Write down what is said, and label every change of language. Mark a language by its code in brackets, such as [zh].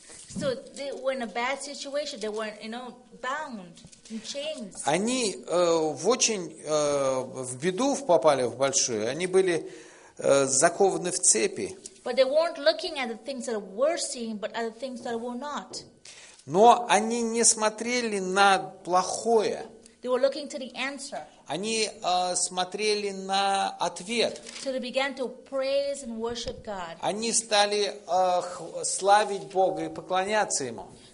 [en] So they were in a bad situation. They were, you know, bound in chains. [ru] Они в беду попали в большую. Они были закованы в цепи. [en] But they weren't looking at the things that were seen, but at the things that were not. [ru] Но они не смотрели на плохое. [en] They were looking to the answer. [ru] Они смотрели на ответ. [en] So they began to praise and worship God. [ru] Они стали славить Бога и поклоняться Ему.